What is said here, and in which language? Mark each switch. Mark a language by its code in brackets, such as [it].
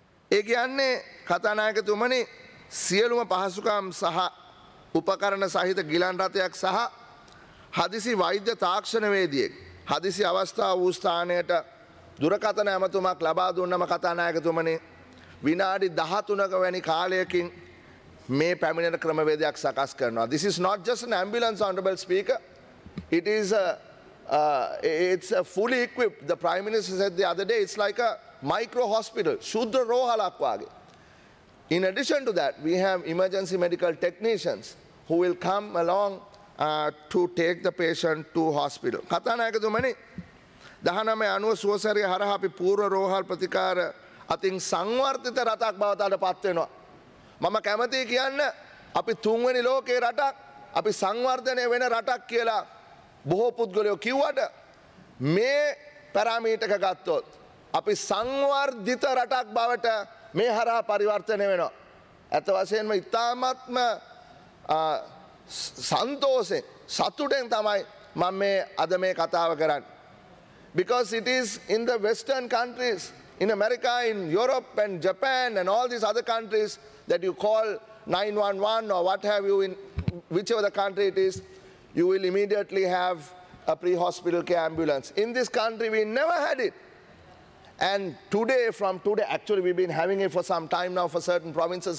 [si] ඒ කියන්නේ කතානායකතුමනි සියලුම පහසුකම් සහ උපකරණ සහිත ගිලන් රථයක් සහ හදිසි වෛද්‍ය තාක්ෂණවේදියෙක් හදිසි අවස්ථාව වූ ස්ථානයට දුරකථන ඇමතුමක් ලබා දුන්නම කතානායකතුමනි විනාඩි 13ක වැනි කාලයකින් මේ පැමිණෙන ක්‍රමවේදයක් සකස් කරනවා. [en] This is not just an ambulance, honorable speaker. It is it's fully equipped. The prime minister said the other day it's like a micro hospital, [si] shudra rohalak wage. [en] In addition to that, we have emergency medical technicians who will come along to take the patient to hospital. [si] කතානායකතුමනි 19.90 සුවසැරිය හරහා අපි පූර්ව රෝහල් ප්‍රතිකාර අතින් සංවර්ධිත රටක් බවට අදපත් වෙනවා. මම කැමතියි කියන්න අපි තුන්වෙනි ලෝකයේ රටක්, අපි සංවර්ධනය වෙන රටක් කියලා බොහෝ පුද්ගලයෝ කිව්වට මේ පැරාමීටරක ගත්තොත් අපි සංවර්ධිත රටක් බවට මේ හරහා පරිවර්තනය වෙනවා. අත වශයෙන්ම ඉතාමත්ම සන්තෝෂෙන් සතුටෙන් තමයි මම මේ අද මේ කතාව කරන්නේ. [en] Because it is in the Western countries, in America, in Europe and Japan and all these other countries that you call 911 or what have you in whichever the country it is, you will immediately have a pre-hospital care ambulance. In this country, we never had it. And today, from today, actually we've been having it for some time now for certain provinces.